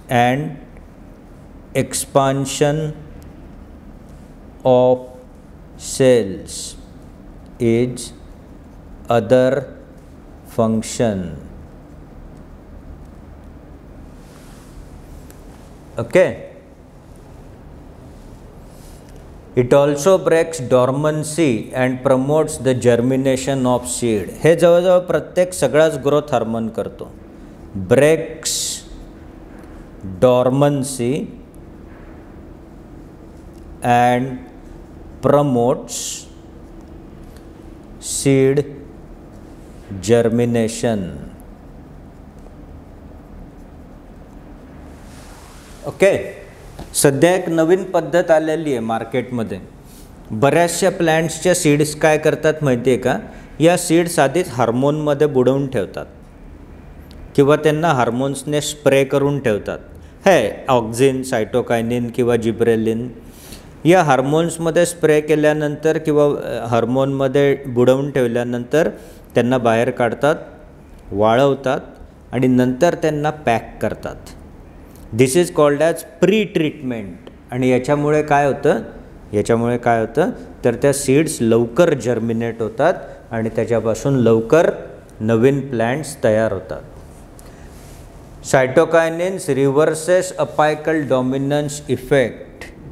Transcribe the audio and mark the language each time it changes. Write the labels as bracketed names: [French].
[English] And expansion of cells is other function. Okay. It also breaks dormancy and promotes the germination of seed. [Marathi] हे जवळजवळ प्रत्येक सगळाच growth hormone करतो. [English] Breaks dormancy and promotes seed germination. Okay. [Marathi] सध्या एक नवीन पद्धत आलेली आहे मार्केटमध्ये. बऱ्याचशा प्लॅन्ट्सच्या सीड्स काय करतात माहिती आहे का, या सीड्स आधीच हार्मोनमध्ये बुडवून ठेवतात किंवा त्यांना हार्मोन्सने स्प्रे करून ठेवतात. है ऑक्झिन, सायटोकायनिन किंवा जिब्रेलिन या हार्मोन्समध्ये स्प्रे केल्यानंतर किंवा हार्मोनमध्ये बुडवून ठेवल्यानंतर त्यांना बाहेर काढतात, वाळवतात आणि नंतर त्यांना पॅक करतात. [English] This is called as pre treatment. [Marathi] आणि याच्यामुळे काय होतं, याच्यामुळे काय होतं तर त्या सीड्स लवकर जर्मिनेट होतात आणि त्याच्यापासून लवकर नवीन प्लॅन्ट्स तयार होतात. [English] Cytokinins reverses apical dominance effect.